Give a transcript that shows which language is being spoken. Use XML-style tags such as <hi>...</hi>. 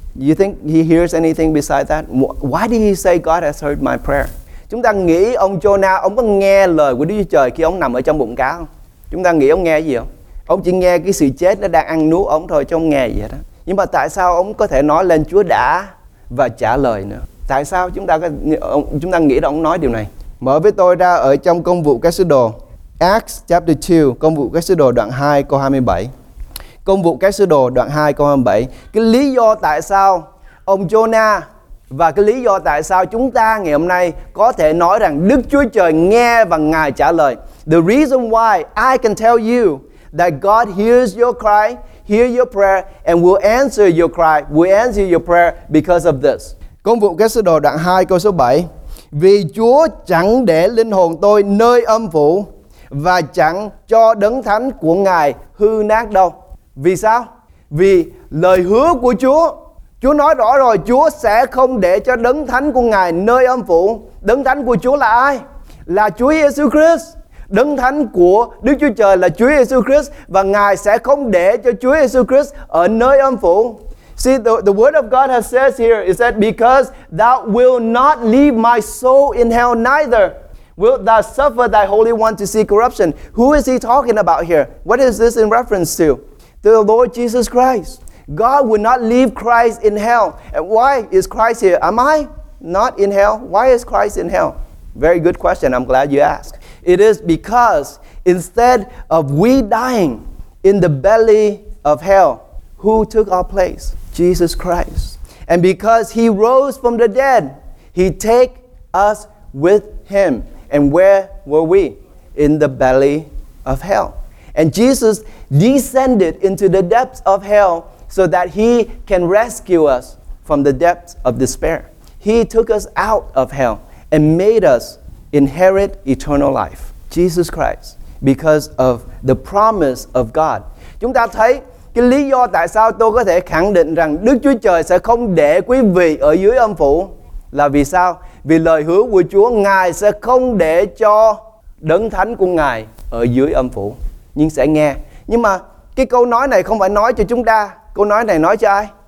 <en>Do you think he hears anything besides that? Why did he say God has heard my prayer?</en> <vi>Chúng ta nghĩ ông Jonah, ông có nghe lời của Đức Chúa Trời khi ông nằm ở trong bụng cá không? Chúng ta nghĩ ông nghe gì không? Ông chỉ nghe cái sự chết nó đang ăn nuốt ông thôi chứ ông nghe gì hết á. Nhưng mà tại sao ông có thể nói lên Chúa đã và trả lời nữa? Tại sao chúng ta nghĩ là ông nói điều này? Mở với tôi ra ở trong công vụ các sứ đồ.</vi> <en>Acts chapter 2,</en> <vi>công vụ các sứ đồ đoạn 2 câu 27. Công vụ các sứ đồ đoạn 2 câu 27. Cái lý do tại sao ông Jonah và cái lý do tại sao chúng ta ngày hôm nay có thể nói rằng Đức Chúa Trời nghe và Ngài trả lời. The reason why I can tell you that God hears your cry, hear your prayer, and will answer your cry, will answer your prayer because of this. Công vụ các sứ đồ đoạn 2 câu số 7. Vì Chúa chẳng để linh hồn tôi nơi âm phủ và chẳng cho đấng thánh của Ngài hư nát đâu. Vì sao? Vì lời hứa của Chúa. Chúa nói rõ rồi, Chúa sẽ không để cho đấng thánh của Ngài nơi âm phủ. Đấng thánh của Chúa là ai? Là Chúa Jesus Christ. Đấng thánh của Đức Chúa Trời là Chúa Jesus Christ và Ngài sẽ không để cho Chúa Jesus Christ ở nơi âm phủ.</vi> <en>See, the word of God has says here, it said, because thou will not leave my soul in hell neither will thou suffer thy holy one to see corruption. Who is he talking about here? What is this in reference to? To the Lord Jesus Christ. God will not leave Christ in hell. And why is Christ here? Am I not in hell? Why is Christ in hell? Very good question. I'm glad you asked. It is because instead of we dying in the belly of hell, who took our place? Jesus Christ. And because he rose from the dead, he take us with him. And where were we? In the belly of hell. And Jesus descended into the depths of hell so that he can rescue us from the depths of despair. He took us out of hell and made us inherit eternal life. Jesus Christ, because of the promise of God.</en> <vi>Chúng ta thấy cái lý do tại sao tôi có thể khẳng định rằng Đức Chúa Trời sẽ không để quý vị ở dưới âm phủ là vì sao? Vì lời hứa của Chúa, Ngài sẽ không để cho đấng thánh của Ngài ở dưới âm phủ, nhưng sẽ nghe. Nhưng mà cái câu nói này không phải nói cho chúng ta. Câu nói này nói cho ai?</vi>